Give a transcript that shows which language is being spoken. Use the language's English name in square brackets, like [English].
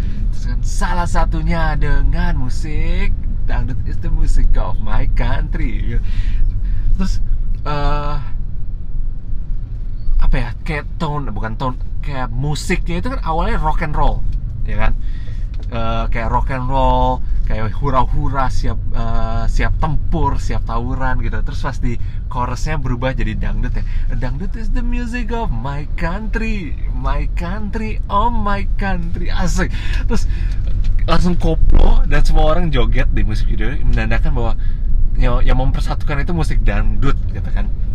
[Indonesian] Terus kan, salah satunya dengan musik. [English] Dangdut is the music of my country. [Indonesian] Terus apa ya, kayak tone, bukan tone, kayak musiknya itu kan awalnya rock and roll, ya kan? Kayak rock and roll, kayak hura-hura, siap siap tempur, siap tawuran gitu. Terus pas di chorusnya berubah jadi dangdut ya. [English] Dangdut is the music of my country, my country, oh my country, asik. [Indonesian] Terus langsung koplo dan semua orang joget di musik video, menandakan bahwa yang mempersatukan itu musik dangdut gitu kan.